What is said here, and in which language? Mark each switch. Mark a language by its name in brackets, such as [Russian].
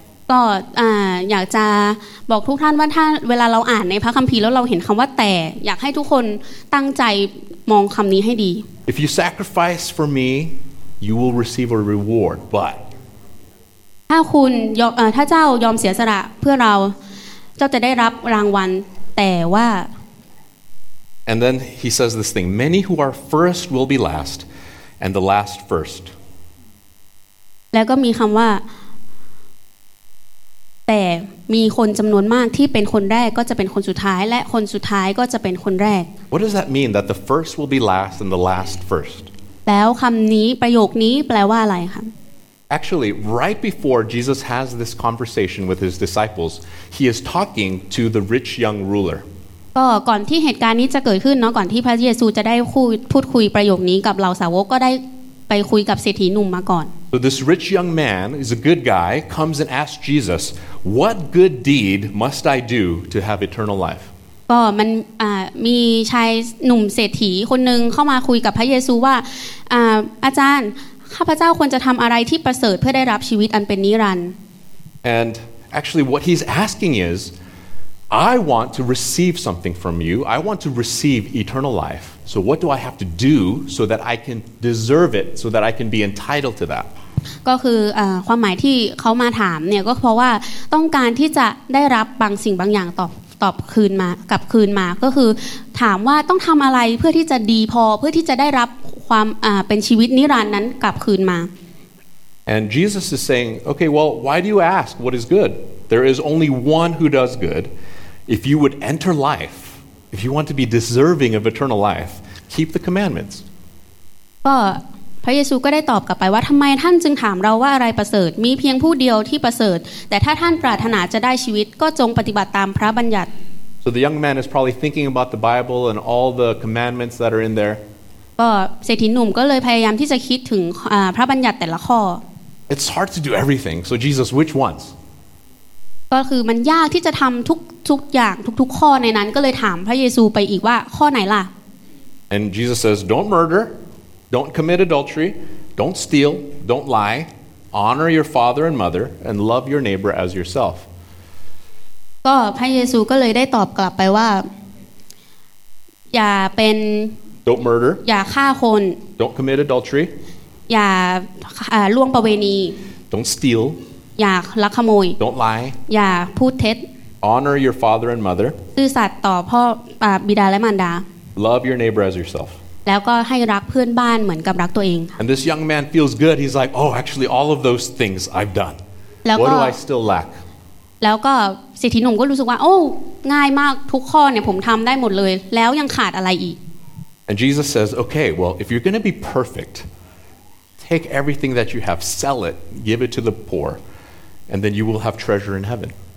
[Thai] ก็อยากจะบอกทุกท่านว่าถ้าเวลาเราอ่านในพระคัมภีร์แล้วเราเห็นคำว่าแต่อยากให้ทุกคนตั้งใจมองคำนี้ให้ดี [English] If you sacrifice for me, you will receive a reward. But [Thai] ถ้าคุณถ้าเจ้ายอมเสียสละเพื่อเราเจ้าจะได้รับรางวัลแต่ว่า [English] And then he says this thing: Many who are first will be last, and the last first. [Thai] แล้วก็มีคำว่าแต่มีคนจำนวนมากที่เป็นคนแรกก็จะเป็นคนสุดท้ายและคนสุดท้ายก็จะเป็นคนแรก [English] What does that mean that the first will be last and the last first? [Thai] แล้วคำนี้ประโยคนี้แปลว่าอะไรคะ [English] Actually, right before Jesus has this conversation with his disciples, he is talking to the rich young ruler. [Thai] ก่อนที่เหตุการณ์นี้จะเกิดขึ้นเนาะก่อนที่พระเยซูจะได้พูดคุยประโยคนี้กับเหล่าสาวกก็ได้ไปคุยกับเศรษฐีหนุ่มมาก่อน [English] So this rich young man is a good guy comes and asks Jesus what good deed must I do to have eternal life [Thai] ก็มันมีชายหนุ่มเศรษฐีคนนึงเข้ามาคุยกับพระเยซูว่าอาจารย์ข้าพเจ้าควรจะทำอะไรที่ประเสริฐเพื่อได้รับชีวิตอันเป็นนิรันดร์ [English] And actually what he's asking is I want to receive something from you I want to receive eternal lifeSo what do I have to do so that I can deserve it, so that I can be entitled to that? [Thai] ก็คือความหมายที่เขามาถามเนี่ยก็เพราะว่าต้องการที่จะได้รับบางสิ่งบางอย่างตอบคืนมากับคืนมาก็คือถามว่าต้องทำอะไรเพื่อที่จะดีพอเพื่อที่จะได้รับความเป็นชีวิตนิรันดร์นั้นกลับคืนมา [English] And Jesus is saying okay well why do you ask what is good there is only one who does good if you would enter life if you want to be deserving of eternal life keep the commandments [Thai] ก็พระเยซูก็ได้ตอบกลับไปว่าทำไมท่านจึงถามเราว่าอะไรประเสริฐมีเพียงผู้เดียวที่ประเสริฐแต่ถ้าท่านปรารถนาจะได้ชีวิตก็จงปฏิบัติตามพระบัญญัติ [English] So the young man is probably thinking about the Bible and all the commandments that are in there [Thai] ก็เศรษฐีหนุ่มก็เลยพยายามที่จะคิดถึงพระบัญญัติแต่ละข้อ [English] It's hard to do everything so Jesus which ones [Thai] ก็คือมันยากที่จะทำทุกอย่างทุกข้อในนั้นก็เลยถามพระเยซูไปอีกว่าข้อไหนล่ะ [English] And Jesus says don't murderDon't commit adultery, don't steal, don't lie, honor your father and mother, and love your neighbor as yourself. [Thai] ก็พระเยซูก็เลยได้ตอบกลับไปว่าอย่าเป็น [English] Don't murder. [Thai] อย่าฆ่าคน [English] Don't commit adultery. [Thai] อย่าล่วงประเวณี [English] Don't steal. [Thai] อย่าลักขโมย [English] Don't lie. [Thai] อย่าพูดเท็จ [English] Honor your father and mother. [Thai] ซื่อสัตย์ต่อพ่อบิดาและมารดา [English] Love your neighbor as yourself. [Thai] แล้วก็ให้รักเพื่อนบ้านเหมือนกับรักตัวเอง [English] And this young man feels good. He's like, oh, actually, all of those things I've done. What do I still lack? [Thai] แล้วก็เศรษฐีหนุ่มก็รู้สึกว่าโอ้ง่ายมากทุกข้อเนี่ยผมทำได้หมดเลยแล้วยังขาดอะไรอีก [English] And Jesus says, okay, well, if you're going to be perfect, take everything that you have, sell it, give it to the poor, and then you will have treasure in heaven.